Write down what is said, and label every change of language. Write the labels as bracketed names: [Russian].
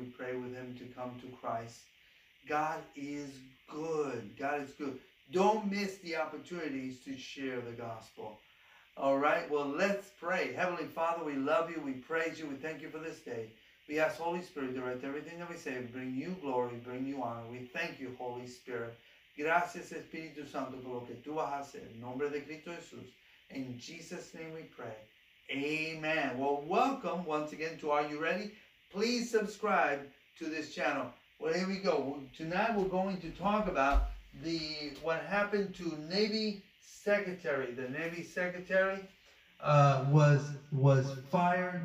[English] We prayed with him to come to Christ. God is good. God is good. Don't miss the opportunities to share the gospel. All right, well, let's pray. Heavenly Father, we love you. We praise you. We thank you for this day. We ask Holy Spirit, direct everything that we say. Bring you glory. Bring you honor. We thank you, Holy Spirit. [Spanish] Gracias, Espíritu Santo, por lo que tú vas a hacer. En nombre de Cristo Jesús. [English] In Jesus' name we pray. Amen. Well, welcome once again to Are You Ready? Please subscribe to this channel. Well, here we go. Tonight we're going to talk about what happened to Navy Secretary. The Navy Secretary was fired.